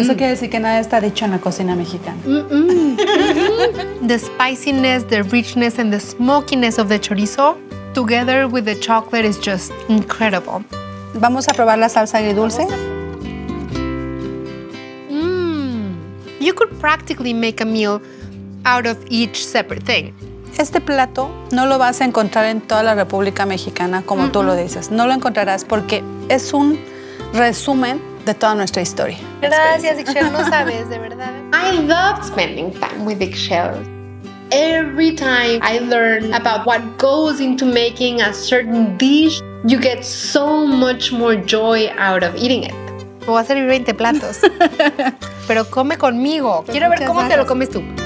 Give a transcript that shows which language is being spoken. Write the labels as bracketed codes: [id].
[es] Eso quiere decir que nada está dicho en la cocina mexicana. [en] The spiciness, the richness, and the smokiness of the chorizo together with the chocolate is just incredible. [es] Vamos a probar la salsa agridulce. [en] You could practically make a meal out of each separate thing. [es] Este plato no lo vas a encontrar en toda la República Mexicana, como tú lo dices. No lo encontrarás porque es un resumen de toda nuestra historia. Gracias, Ixchel. No sabes, de verdad. [en] I love spending time with Ixchel. Every time I learn about what goes into making a certain dish, you get so much more joy out of eating it. [es] Voy a servir 20 platos. Pero come conmigo. Quiero ver cómo te lo comes tú.